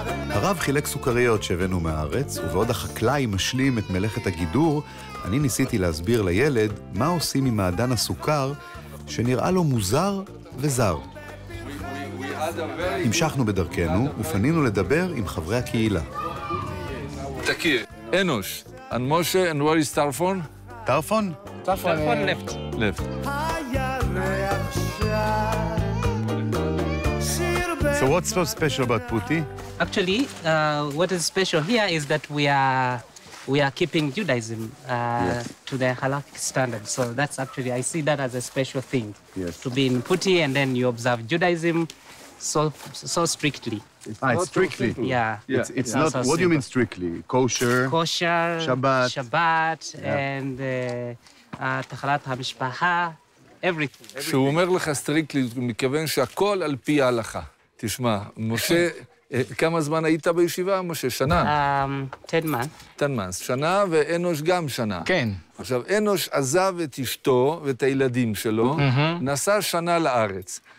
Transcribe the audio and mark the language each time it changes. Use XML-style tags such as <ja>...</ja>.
<he>הרב חילק סוכריות שהבאנו מהארץ, ובעוד החקלאי משלים את מלאכת הגידור, אני ניסיתי להסביר לילד מה עושים עם מעדן הסוכר שנראה לו מוזר וזר. המשכנו בדרכנו ופנינו לדבר עם חברי הקהילה. תכיר,</he> <en>אנוש, and Moshe, and where is Tarfon? Tarfon? Tarfon left. Left. So what's so special about Puti? Actually, what is special here is that we are keeping Judaism yes. to the halakhic standard. So that's actually, I see that as a special thing. Yes. To be in Puti and then you observe Judaism so strictly. It's strictly? So yeah. It's not, so what do you mean strictly? Kosher, Shabbat and tachalat ha-mishpaha, everything.</en> <he>שהוא אומר לך strictly, הוא מכוון שהכל על פי ההלכה. תשמע, משה... כמה זמן היית בישיבה, משה? שנה?</he> <en>10 months.</en> <he>שנה, ואנוש גם שנה. כן. עכשיו, אנוש עזב את אשתו ואת הילדים שלו, נסע שנה לארץ.</he>